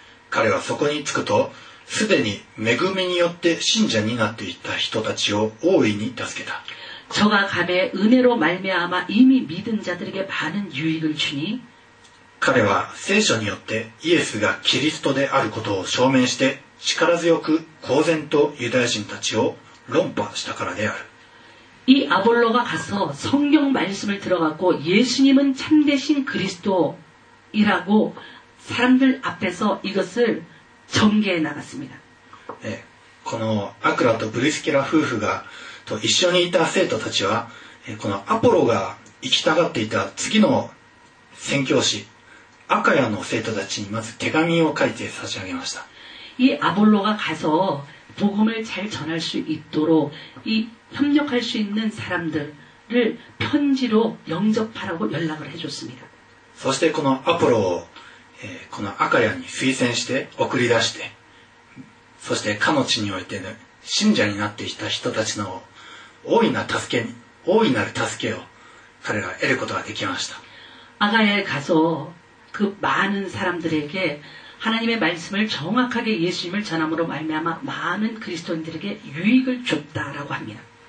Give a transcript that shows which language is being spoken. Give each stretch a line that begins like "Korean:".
Japanese: 彼はそこに着くとすでに恵みによって信者になっていた人たちを大いに助けた。
Korean: 저가감에은혜로말미암아이미믿은자들에게많은유익을주니
Japanese: 彼は聖書によってイエスがキリストであることを証明して力強く公然とユダヤ人たちを論破したからである。
Korean: 이아볼로가가서성경말씀을들어갖고예수님은참되신그리스도이라고사람들앞에서이것을전개해나갔습니다
Japanese: 네このアクラとブリスキラ夫婦がと一緒にいた生徒たちはこのアポロが行きたがっていた次の宣教師アカヤの生徒たちにまず手紙を書いて差し上げました。
Korean: 이아볼로가가서복음을잘전할수있도록이협력할수있는사람들을편지로영접하라고연락을해줬습니다
Japanese: そしてこのアポロをこのアカヤに推薦して送り出してそして彼の地において、ね、信者になっていた人たちの大いな助けに大いなる助けを彼らは得ることができました。
Korean: アガヤへ가서그많은사람들에게하나님의말씀을정확하게예수님을전함으로말미암아많은그리스도인들에게유익을줬다라고합니다。